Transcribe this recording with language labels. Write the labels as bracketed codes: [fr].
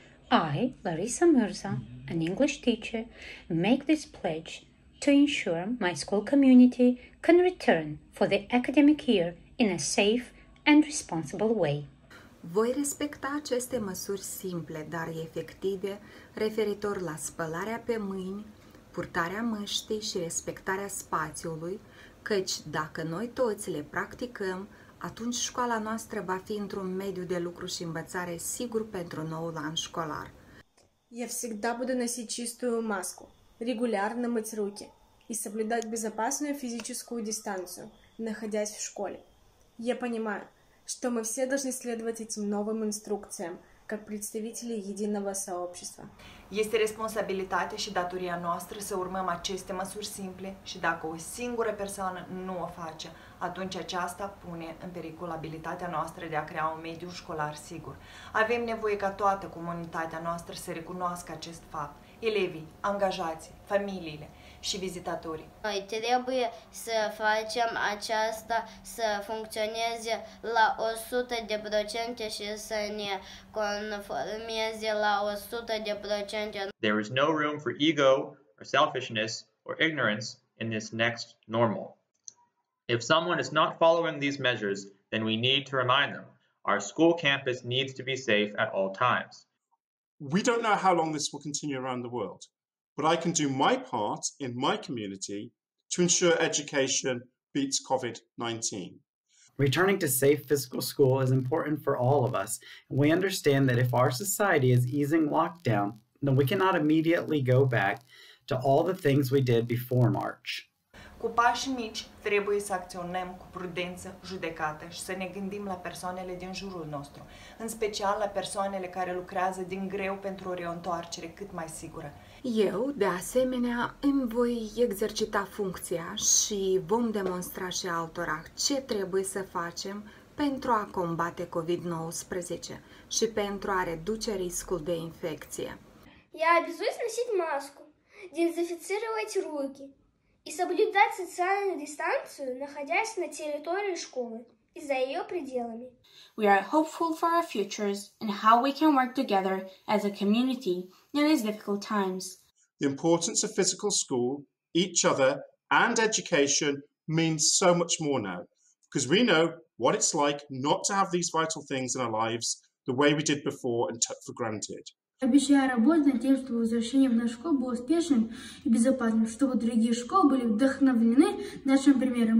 [en] I, Larissa Mirza, an English teacher, make this pledge to ensure my school community can return for the academic year in a safe and responsible way. [ro] Voi respecta aceste măsuri simple, dar efective, referitor la spălarea pe mâini, purtarea măștii și respectarea spațiului, căci dacă noi toți le practicăm, atunci școala noastră va fi într-un mediu de lucru și învățare sigur pentru noul an școlar. [ru] Я всегда буду носить чистую маску, регулярно мыть руки и соблюдать безопасную физическую дистанцию, находясь в школе. Я понимаю, что мы все должны следовать этим новым инструкциям, как представители единого сообщества. [ro] Есть responsabilitatea și datoria noastră să urmăm aceste măsuri simple și dacă o singură persoană nu o face, atunci aceasta pune în pericol abilitatea noastră de a crea un mediu școlar sigur. Avem nevoie ca toată comunitatea noastră să recunoască acest fapt. Elevii, angajații, familiile și vizitatorii. Noi trebuie să facem aceasta să funcționeze la 100% și să ne conformeze la 100%. [en] There is no room for ego or selfishness or ignorance in this next normal. If someone is not following these measures, then we need to remind them. Our school campus needs to be safe at all times. We don't know how long this will continue around the world, but I can do my part in my community to ensure education beats COVID-19. Returning to safe physical school is important for all of us. We understand that if our society is easing lockdown, then we cannot immediately go back to all the things we did before March. [ro] Cu pași mici trebuie să acționăm cu prudență judecată și să ne gândim la persoanele din jurul nostru, în special la persoanele care lucrează din greu pentru o reîntoarcere cât mai sigură. Eu, de asemenea, îmi voi exercita funcția și vom demonstra și altora ce trebuie să facem pentru a combate COVID-19 și pentru a reduce riscul de infecție. [ru] Я обязуюсь носить маску, дезинфицировать руки и соблюдать социальную дистанцию, находясь на территории школы и за ее пределами. [en] We are hopeful for our futures and how we can work together as a community in these difficult times. The importance of physical school, each other, and education means so much more now, because we know what it's like not to have these vital things in our lives the way we did before and took for granted. [ru] Обещаю работать над тем, чтобы возвращение в нашу школу было успешным и безопасным, чтобы другие школы были вдохновлены нашим примером.